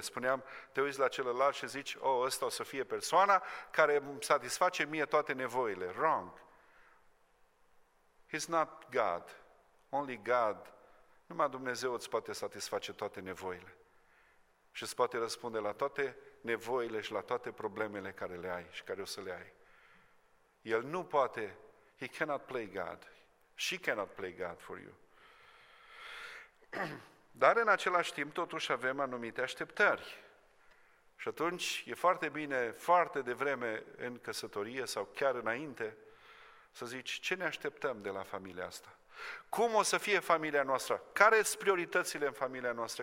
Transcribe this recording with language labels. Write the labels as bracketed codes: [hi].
[ro] Spuneam, te uiți la celălalt și zici, ăsta o să fie persoana care îmi satisface mie toate nevoile. [en] Wrong. He's not God. Only God. [ro] Numai Dumnezeu îți poate satisface toate nevoile. Și îți poate răspunde la toate nevoile și la toate problemele care le ai și care o să le ai. El nu poate, [en] he cannot play God. She cannot play God for you. [ro] Dar în același timp, totuși, avem anumite așteptări. Și atunci e foarte bine, foarte devreme în căsătorie sau chiar înainte, să zici ce ne așteptăm de la familia asta. Cum o să fie familia noastră? Care sunt prioritățile în familia noastră?